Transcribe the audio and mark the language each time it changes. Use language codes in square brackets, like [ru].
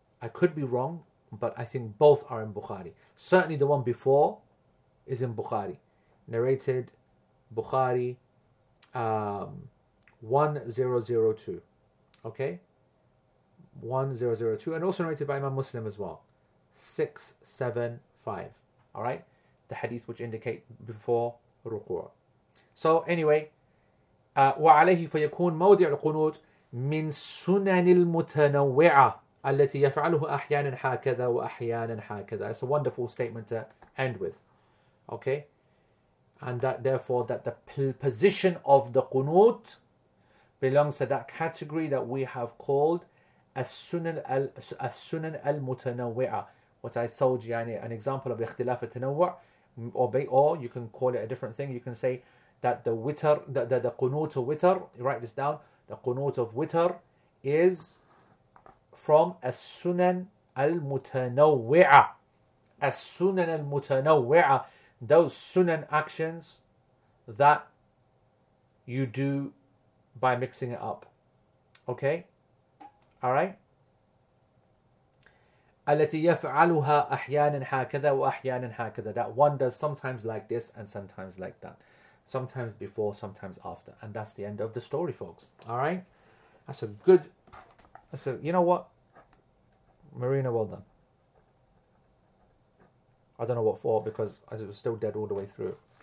[en] I could be wrong, but I think both are in Bukhari. Certainly, the one before is in Bukhari, narrated Bukhari. 1002, okay, 1002, and also narrated by Imam Muslim as well, 675, all right, the hadith which indicate before ruku'. So anyway, [ar] وعليه فيكون موضع القنوت من سنن المتنوعة التي يفعله أحيانا هكذا وأحيانا هكذا. [en] It's a wonderful statement to end with, okay, and that therefore that the position of the qunut belongs to that category that we have called as-sunan al-mutanawwi'ah. What I told you, yani, an example of ikhtilaf al-tanawwu', or you can call it a different thing. You can say that the witr, the qunut of witr, write this down, the qunut of witr is from as-sunan al-mutanawwi'ah. As-sunan al-mutanawwi'ah, those sunan actions that you do by mixing it up. Okay? Alright? [ar] التي يفعلها أحيانا هكذا وأحيانا هكذا. [en] That one does sometimes like this and sometimes like that. Sometimes before, sometimes after. And that's the end of the story, folks. All right? That's a good... That's a, you know what? Marina, well done. I don't know what for, because it was still dead all the way through.